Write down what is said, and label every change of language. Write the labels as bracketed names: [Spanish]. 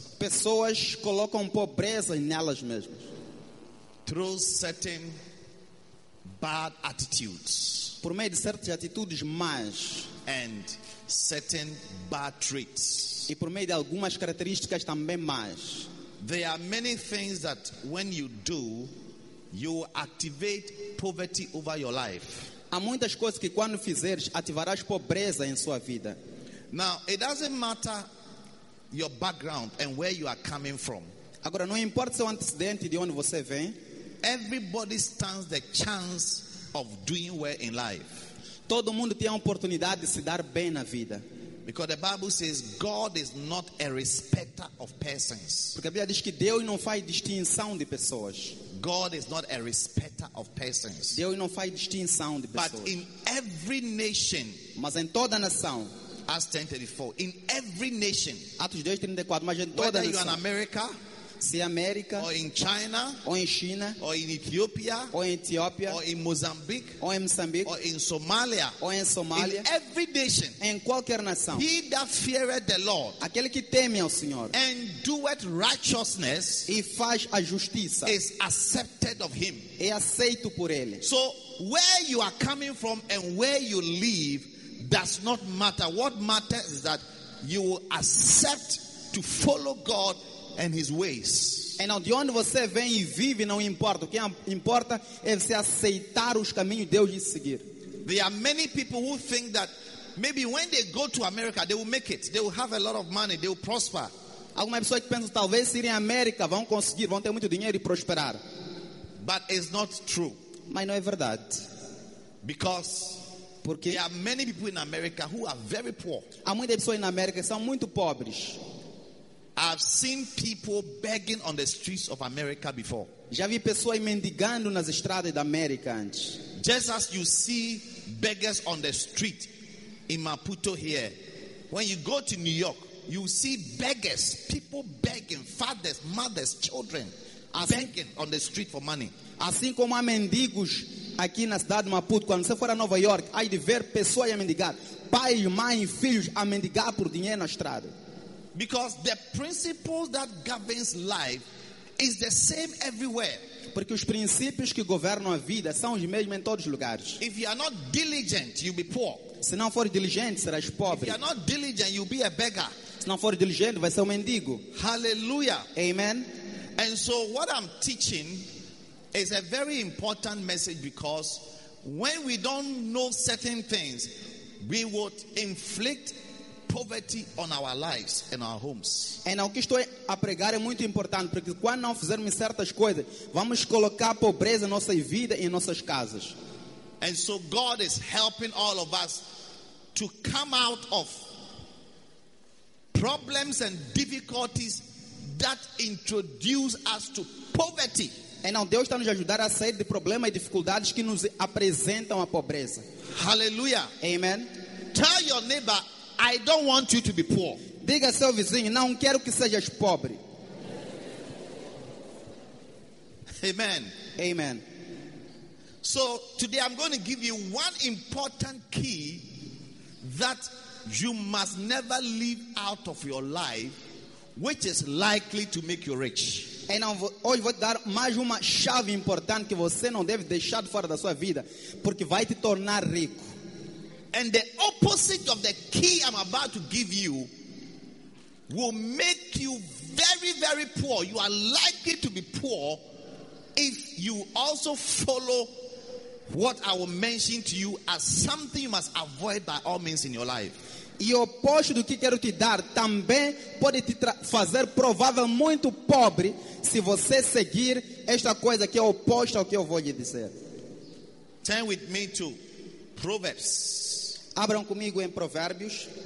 [Portuguese] Pessoas colocam pobreza nelas mesmas. [English] Through certain bad attitudes. [Portuguese] Por meio de certas atitudes más. [English] And certain bad traits. [Portuguese] E por meio de algumas características também más. [English] There are many things that when you do, you activate poverty over your life. [Portuguese] Há muitas coisas que quando fizeres ativarás pobreza em sua vida. [English] Now, it doesn't matter your background and where you are coming from. [Portuguese] Agora não importa seu antecedente de onde você vem. [English] Everybody stands the chance of doing well in life. [Portuguese] Todo mundo tem a oportunidade de se dar bem na vida. [English] Because the Bible says God is not a respecter of persons. [Portuguese] Porque a Bíblia diz que Deus não faz distinção de pessoas. [English] God is not a respecter of persons. [Portuguese] Deus não faz distinção de pessoas. [English] But in every nation, [Portuguese] mas em toda nação, [English] Acts 10:34, in every nation, [Portuguese] Atos 10:34, mas em toda [English] whether [Portuguese] nação, [English] you are in America, [Portuguese] se América, [English] or in China, [Portuguese] ou em China, [English] or in Ethiopia, [Portuguese] ou em Etiópia, [English] or in Mozambique, [Portuguese] ou em Moçambique, [English] or in Somalia, [Portuguese] ou em Somália, [English] in every nation, [Portuguese] em qualquer nação, [English] he that feareth the Lord, [Portuguese] aquele que teme ao Senhor, [English] and doeth righteousness, [Portuguese] e faz a justiça, [English] is accepted of him, [Portuguese] é aceito por ele. [English] So where you are coming from and where you live does not matter. What matters is that you will accept to follow God and his ways. [Portuguese] Então, de onde você vem e vive não importa. O que importa é você aceitar os caminhos de Deus e seguir. [English] There are many people who think that maybe when they go to America they will make it. They will have a lot of money, they will prosper. [Portuguese] Algumas pessoas que pensam talvez se irem à América vão conseguir, vão ter muito dinheiro e prosperar. [English] But it's not true. [Portuguese] Mas não é verdade. [English] Because [Portuguese] porque [English] there are many people in America who are very poor. [Portuguese] Há muitas pessoas na América que são muito pobres. [English] I've seen people begging on the streets of America before. [Portuguese] Já vi pessoas mendigando nas estradas da América antes. [English] Just as you see beggars on the street in Maputo here. When you go to New York, you see beggars, people begging, fathers, mothers, children assim, begging on the street for money. [Portuguese] Assim como há mendigos aqui na cidade de Maputo, quando você for a Nova York, há de ver pessoas a mendigar, pai, mãe, filhos a mendigar por dinheiro na estrada. [English] Because the principles that governs life is the same everywhere. [Portuguese] Porque os princípios que governam a vida são os mesmos em todos os lugares. [English] If you are not diligent, you'll be poor. [Portuguese] Se não for diligente, serás pobre. [English] If you are not diligent, you'll be a beggar. [Portuguese] Se não for diligente, vai ser um mendigo. [English] Hallelujah. Amen. And so what I'm teaching is a very important message, because when we don't know certain things, we would inflict poverty on our lives and our homes. [Portuguese] Então, o que estou a pregar é muito importante, porque quando não fizermos certas coisas, vamos colocar pobreza em nossa vida e em nossas casas. [English] And so God is helping all of us to come out of problems and difficulties that introduce us to poverty. [Portuguese] Então, Deus está nos ajudando a sair de problemas e dificuldades que nos apresentam a pobreza. [English] Hallelujah. Amen. Tell your neighbor, I don't want you to be poor. [Portuguese] Diga ao seu vizinho, não quero que sejas pobre. Amen. Amen. [English] So, today I'm going to give you one important key that you must never leave out of your life, which is likely to make you rich. [Portuguese] Então, hoje vou te dar mais uma chave importante que você não deve deixar de fora da sua vida, porque vai te tornar rico. [English] And the opposite of the key I'm about to give you will make you very, very poor. You are likely to be poor if you also follow what I will mention to you as something you must avoid by all means in your life. [Portuguese] E o oposto do que quero te dar também pode te fazer provável muito pobre se você seguir esta coisa que é oposta ao que eu vou lhe dizer. [English] Turn with me to Proverbs. [Portuguese] Abram comigo em Provérbios,